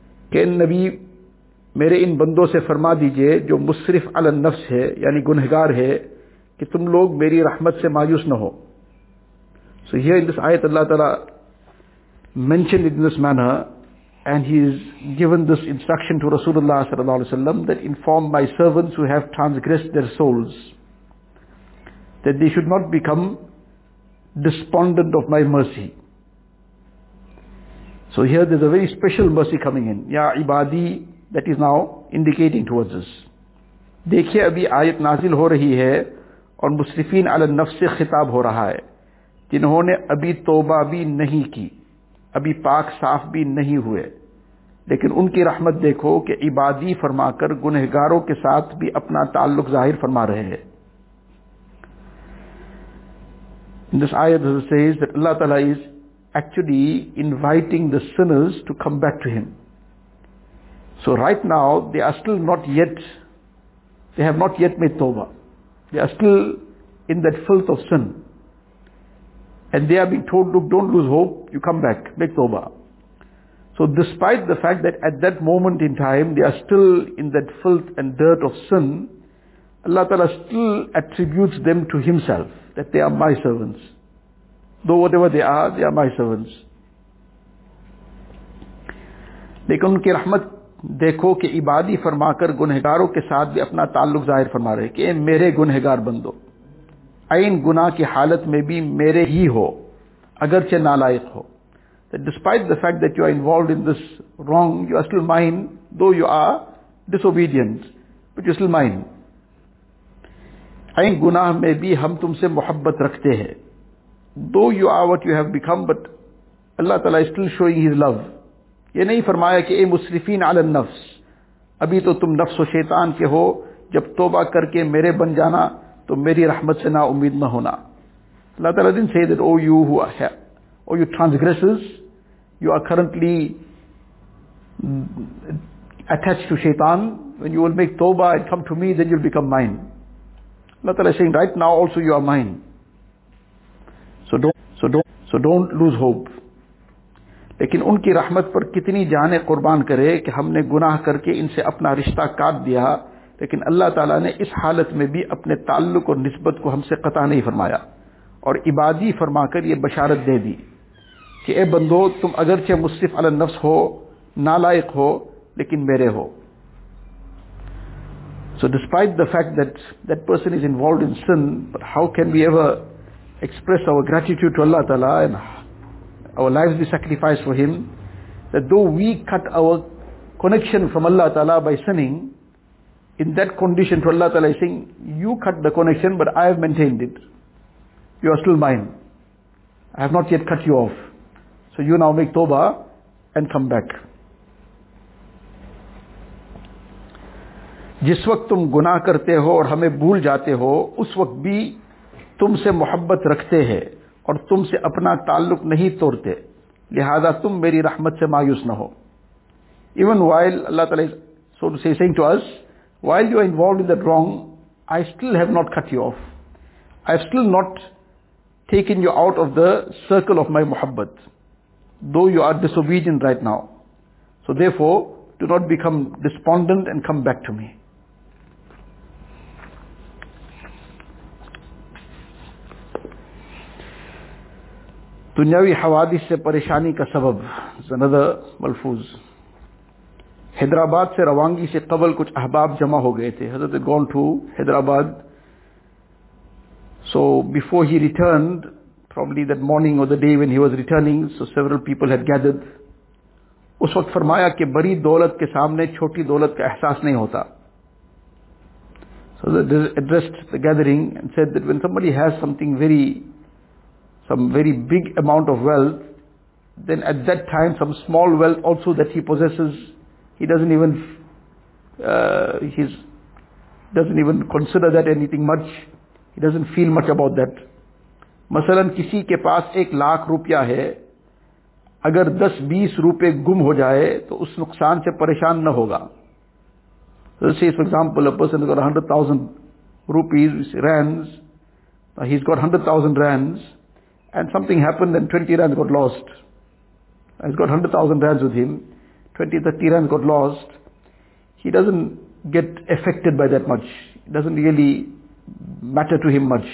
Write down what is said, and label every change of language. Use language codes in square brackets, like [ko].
[ur] کہ نبی میرے ان بندوں سے فرما دیجئے جو مصرف علی النفس ہے یعنی گنہگار ہے کہ تم لوگ میری رحمت سے مایوس نہ ہو. [en] So here in this آیت اللہ تعالیٰ mentioned it in this manner and he is given this instruction to Rasulullah sallallahu alaihi wasallam that inform my servants who have transgressed their souls that they should not become despondent of my mercy. So here there's a very special mercy coming in. Ya ibadi that is now indicating towards us. [ur] Dekhiye abhi ayat nazil ho rahi hai aur musrifin ala nafs se khitab ho raha hai jinhone abhi toba bhi nahi ki ابھی پاک صاف بھی نہیں ہوئے لیکن ان کی رحمت دیکھو کہ عبادی فرما کر گنہگاروں کے ساتھ بھی اپنا تعلق ظاہر فرما رہے ہیں. [en] In this ayat, it says that Allah Ta'ala is actually inviting the sinners to come back to Him. So right now, they are still not yet, they have not yet made tawbah. They are still in that filth of sin. And they are being told, look, don't lose hope, you come back, make tawbah. So despite the fact that at that moment in time, they are still in that filth and dirt of sin, Allah Ta'ala still attributes them to Himself, that they are My servants. Though whatever they are My servants. [ur] لیکن ان کی رحمت دیکھو کہ عبادی فرما کر گنہگاروں کے ساتھ بھی اپنا تعلق ظاہر فرما رہے کہ میرے گنہگار بندو عین گناہ کی حالت میں بھی میرے ہی ہو اگرچہ نالائق ہو. [en] That despite the fact that you are involved in this wrong, you are still Mine, though you are disobedient, but you are still Mine. [ur] عین گناہ میں بھی ہم تم سے محبت رکھتے ہیں. [en] Though you are what you have become, but Allah Ta'ala is still showing His love. [ur] یہ نہیں فرمایا کہ اے مسرفین علی النفس, ابھی تو تم نفس و شیطان کے ہو, جب توبہ کر کے میرے بن جانا تو میری رحمت سے نا امید نہ ہونا. [en] Allah Ta'ala didn't say that, oh you who are here, oh you transgressors, you are currently attached to Shaitan, when you will make tawbah and come to Me, then you'll become Mine. Allah Ta'ala is saying, right now also you are Mine. So don't lose hope. [ur] لیکن ان کی رحمت پر کتنی جانیں قربان کرے کہ ہم نے گناہ کر کے ان سے اپنا رشتہ کاٹ دیا, لیکن اللہ تعالیٰ نے اس حالت میں بھی اپنے تعلق اور نسبت کو ہم سے قطع نہیں فرمایا اور عبادی فرما کر یہ بشارت دے دی کہ اے بندو تم اگرچہ مصرف علی النفس ہو, نالائق ہو, لیکن میرے ہو. [en] So despite the fact that that person is involved in sin, but how can we ever express our gratitude to Allah Ta'ala and our lives be sacrificed for Him, that though we cut our connection from Allah Ta'ala by sinning, in that condition to Allah Ta'ala is saying, you cut the connection but I have maintained it. You are still Mine. I have not yet cut you off. So you now make tawbah and come back. [ur] جس وقت تم گناہ کرتے ہو اور ہمیں بھول جاتے ہو اس وقت بھی تم سے محبت رکھتے ہیں اور تم سے اپنا تعلق نہیں توڑتے, لہذا تم میری رحمت سے مایوس نہ ہو. [en] Even while Allah Ta'ala is saying to us, while you are involved in the wrong, I still have not cut you off. I have still not taken you out of the circle of My محبت. Though you are disobedient right now. So therefore, do not become despondent and come back to Me. [ur] دنیاوی حوادث سے پریشانی کا سبب, زندہ ملفوظ. حیدرآباد سے روانگی سے قبل کچھ احباب جمع ہو گئے تھے. [en] حضرت gone to Hyderabad. So before he returned, probably that morning or the day when he was returning, so several people had gathered. [ur] اس وقت فرمایا کہ بڑی دولت کے سامنے چھوٹی دولت کا احساس نہیں ہوتا. [en] So they addressed the gathering and said that when somebody has some very big amount of wealth, then at that time some small wealth also that he possesses, he doesn't even consider that anything much. He doesn't feel much about that. [ur] مثلاً کسی کے پاس ایک لاکھ روپیہ ہے, اگر 10-20 روپے گم ہو جائے تو اس نقصان سے پریشان نہ ہوگا. [en] So say for example a person has got 100,000 rupees, rands, he's got 100,000 rands and something happened and 20 rands got lost. He's got 100,000 rands with him, 20-30 rands got lost. He doesn't get affected by that much. It doesn't really matter to him much.